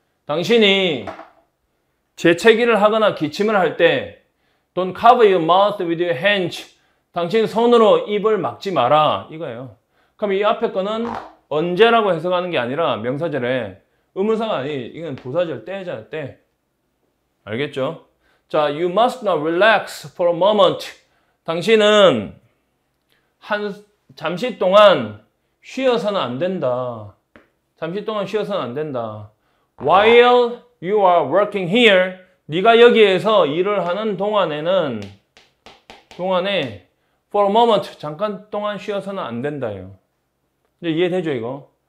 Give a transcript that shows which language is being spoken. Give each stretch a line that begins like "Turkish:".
Korean: 당신이 재채기를 하거나 기침을 할 때
English: Don't cover your mouth with your hands.
Korean: 당신 손으로 입을 막지 마라. 이거예요. 그럼 이 앞에 거는 언제라고 해석하는 게 아니라 명사절에 의문사가 아니, 이건 부사절 때잖아요. 때. 알겠죠?
English: 자, You must not relax for a moment.
Korean: 당신은 잠시 동안 쉬어서는 안 된다. 잠시 동안 쉬어서는 안 된다.
English: While you are working here,
Korean: 네가 여기에서 일을 하는 동안에는
English: for a moment,
Korean: 잠깐 동안 쉬어서는 안 된다요. 이제 이해되죠, 이거?